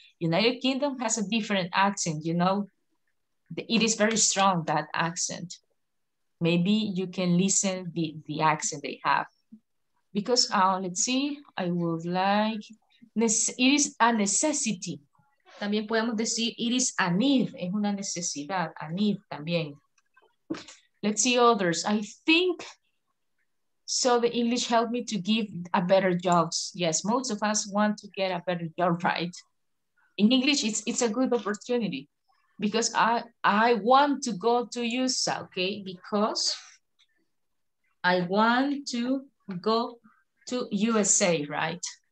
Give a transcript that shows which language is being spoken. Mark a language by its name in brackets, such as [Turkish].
[English] United Kingdom has a different accent, you know, it is very strong, that accent. Maybe you can listen the accent they have. Because, let's see, I would like, it is a necessity. [Spanish] También podemos decir, [English] it is a need, [Spanish] es una necesidad, [English] a need [Spanish] también. [English] Let's see others. I think, so the English helped me to give a better jobs. Yes, most of us want to get a better job, right? In English, it's a good opportunity. Because I want to go to USA, okay? Because I want to go to USA, right?